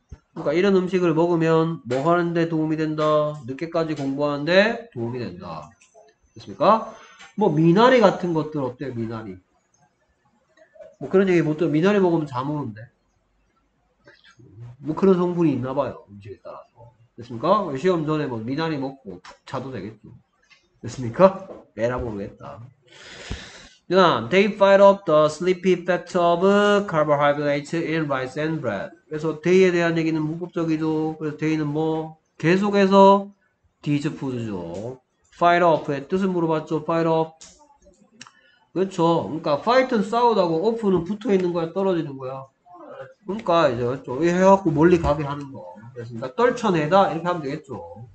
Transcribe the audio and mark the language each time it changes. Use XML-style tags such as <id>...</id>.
<ko>그러니까 이런 음식을 먹으면 뭐 하는 데 도움이 된다? 늦게까지 공부하는데 도움이 된다. 됐습니까? 뭐 미나리 같은 것들 어때요? 미나리. 뭐 그런 얘기 못 들어. 미나리 먹으면 잠 오는데. 뭐 그런 성분이 있나 봐요, 음식에 따라서. 됐습니까? 시험 전에 뭐 미나리 먹고 푹 자도 되겠죠. 됐습니까? 에라 모르겠다.</ko> <en>They fight off the sleepy effects of carbohydrates in rice and bread.</en> <ko>그래서 day에 대한 얘기는 문법적이죠. 그래서 day는 뭐? 계속해서</ko> <en>these foods</en> <ko>죠. fight off의 뜻을 물어봤죠. fight off. 그렇죠. 그러니까 fight는 싸우다고 off는 붙어 있는 거야, 떨어지는 거야. 그러니까 이제 좀 해갖고 멀리 가게 하는 거. 그래서 떨쳐내다 이렇게 하면 되겠죠.</ko>